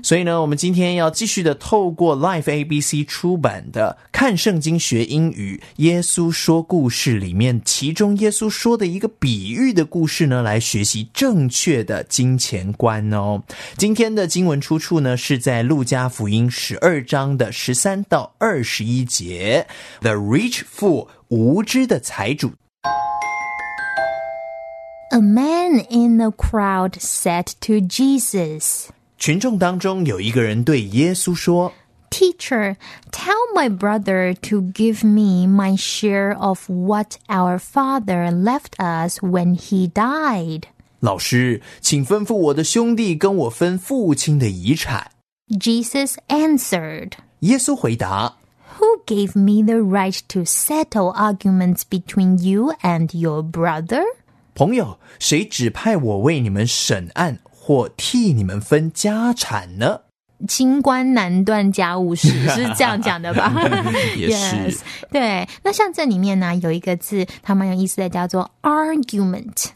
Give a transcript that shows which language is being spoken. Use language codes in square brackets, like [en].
[zh] 所以呢，我们今天要继续的透过 Life ABC 出版的《看圣经学英语》耶稣说故事里面，其中耶稣说的一个比喻的故事呢，来学习正确的金钱观哦。今天的经文出处呢，是在路加福音12章13到21节。 [en] The rich fool， [zh] 无知的财主。 [en] A man in the crowd said to Jesus, [zh] 群众当中有一个人对耶稣说， [en] Teacher, tell my brother to give me my share of what our father left us when he died. [zh] 老师，请吩咐我的兄弟跟我分父亲的遗产。 [en] Jesus answered, [zh] 耶稣回答， [en] Who gave me the right to settle arguments between you and your brother? [zh] 朋友，谁指派我为你们审案或替你们分家产呢？清官难断家务事，是这样讲的吧？也是。 Yes, 对，那像这里面呢，有一个字，它蛮有意思的，叫做 argument。